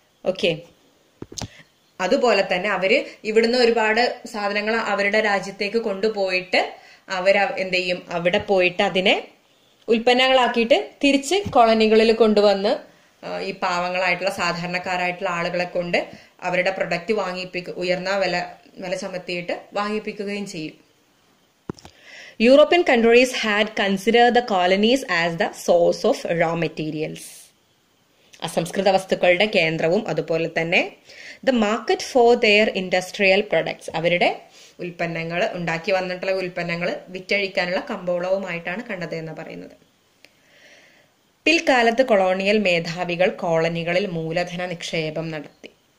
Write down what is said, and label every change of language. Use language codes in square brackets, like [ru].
[ml] Okay, അതുപോലെ തന്നെ അവര് ഇവിടുന്ന് ഒരുപാട് സാധനങ്ങൾ അവരുടെ രാജ്യത്തേക്ക് കൊണ്ടുപോയിട്ട് അവര് എന്ത് ചെയ്യും, അവിടെ പോയിട്ട് അതിനെ ഉൽപ്പന്നങ്ങളാക്കിയിട്ട് തിരിച്ച് കോളനികളിൽ കൊണ്ടുവന്ന് ഈ പാവങ്ങളായിട്ടുള്ള സാധാരണക്കാരായിട്ടുള്ള ആളുകളെ കൊണ്ട് അവരുടെ പ്രൊഡക്റ്റ് വാങ്ങിപ്പിക്കുക, ഉയർന്ന വില ചുമത്തിയിട്ട് വാങ്ങിപ്പിക്കുകയും ചെയ്യും. [en] European countries had considered the colonies as the source of raw materials. [ml] Asamskrita vastukalde kendravum adupole thanne [en] the market for their industrial products, [ml] അവരുടെ ഉൽപ്പന്നങ്ങൾ ഉണ്ടാക്കി വന്നിട്ടുള്ള ഉൽപ്പന്നങ്ങൾ വിറ്റഴിക്കാനുള്ള കമ്പോളവുമായിട്ടാണ് കണ്ടത് എന്ന് പറയുന്നത്. പിൽക്കാലത്ത് കൊളോണിയൽ മേധാവികൾ കോളനികളിൽ മൂലധന നിക്ഷേപം നടത്തി.